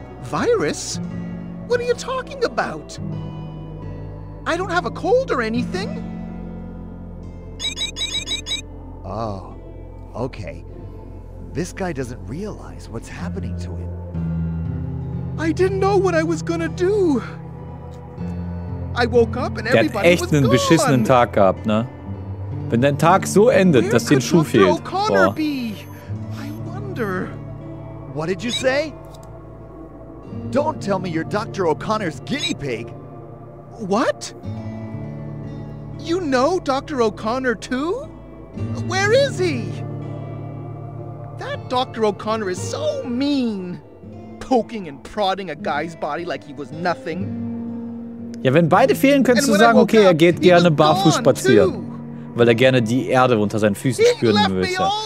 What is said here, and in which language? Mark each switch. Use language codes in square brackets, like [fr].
[en] Virus? What are you talking about? I don't have a cold or anything. Oh, okay. This guy doesn't realize what's happening to him. I didn't know what I was gonna do. I woke up and everybody was gone. [de] Der hat echt einen beschissenen Tag gehabt, ne? Wenn dein Tag so endet, dass dir ein Schuh fehlt. [en] Where could Dr. O'Connor be? I wonder. What did you say? Don't tell me you're Dr. O'Connor's guinea pig. What? You know Dr. O'Connor too? Where is he? That Dr. O'Connor is so mean. Poking and prodding a guy's body like he was nothing. [de] Ja, wenn beide fehlen, könntest du sagen, okay, er geht gerne barfuß spazieren. Weil er gerne die Erde unter seinen Füßen spüren möchte.